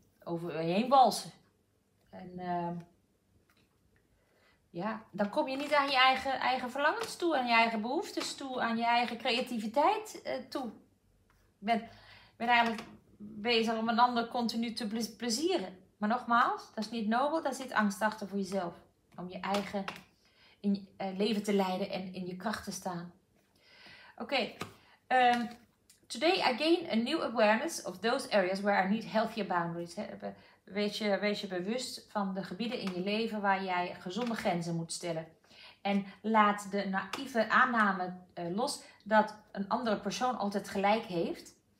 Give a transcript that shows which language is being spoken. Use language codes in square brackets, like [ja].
[nl] Over je heen walsen. En dan kom je niet aan je eigen verlangens toe. Aan je eigen behoeftes toe. Aan je eigen creativiteit toe. Ik ben eigenlijk bezig om een ander continu te plezieren. Maar nogmaals, dat is niet nobel, daar zit angst achter voor jezelf. Om je eigen leven te leiden en in je kracht te staan. [en] Oké, today I gain a new awareness of those areas where I need healthier boundaries. [nl] Wees je bewust van de gebieden in je leven waar jij gezonde grenzen moet stellen. En laat de naïeve aanname los dat een andere persoon altijd gelijk heeft.